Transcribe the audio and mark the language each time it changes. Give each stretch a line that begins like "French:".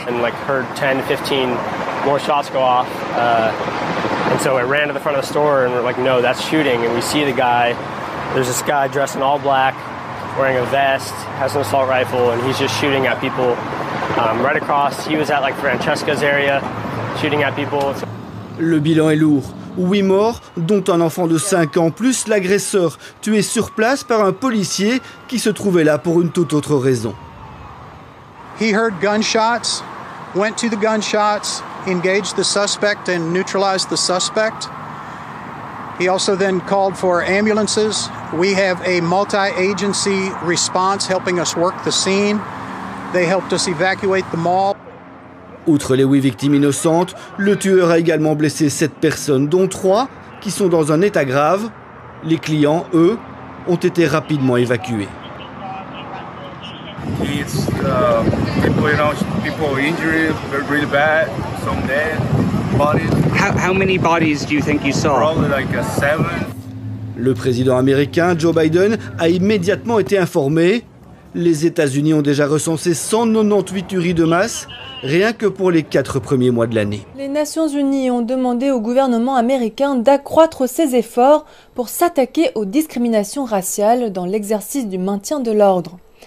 English: And like heard 10, 15 more shots go off, and so I ran to the front of the store and we're like, no, that's shooting, and we see the guy, there's this guy dressed in all black, wearing a vest, has an assault rifle, and he's just shooting at people right across. He was at like Francesca's area, shooting at people.
French: Le bilan est lourd. 8 morts, dont un enfant de 5 ans, plus l'agresseur, tué sur place par un policier qui se trouvait là pour une toute autre raison.
English: He heard gunshots, went to the gunshots, engaged the suspect and neutralized the suspect. He also then called for ambulances. We have a multi-agency response helping us work the scene. They helped us evacuate the mall.
French: Outre les 8 victimes innocentes, le tueur a également blessé 7 personnes, dont 3 qui sont dans un état grave. Les clients, eux, ont été rapidement évacués.
English: It's people, you know, people injured really bad, some dead bodies. How many bodies do you think you saw? Probably like a 7.
French: Le président américain Joe Biden a immédiatement été informé. Les États-Unis ont déjà recensé 198 tueries de masse, rien que pour les 4 premiers mois de l'année. Les Nations Unies ont demandé au gouvernement américain d'accroître ses efforts pour s'attaquer aux discriminations raciales dans l'exercice du maintien de l'ordre.